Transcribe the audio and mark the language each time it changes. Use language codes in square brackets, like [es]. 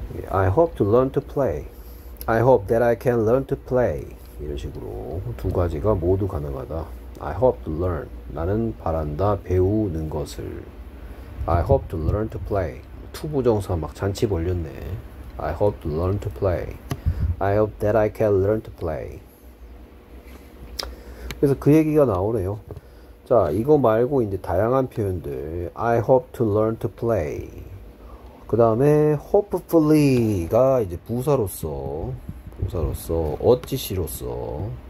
[en] I hope to learn to play. I hope that I can learn to play [ko] 이런 식으로 두 가지가 모두 가능하다. [en] I hope to learn. [ko] 나는 바란다 배우는 것을. [en] I hope to learn to play. [ko] 투부정사 막 잔치 벌렸네. [en] I hope to learn to play. I hope that I can learn to play. [ko] 그래서 그 얘기가 나오네요. 자, 이거 말고 이제 다양한 표현들. [en] I hope to learn to play. [ko] 그 다음에 hopefully가 이제 부사로서, 어찌시로서.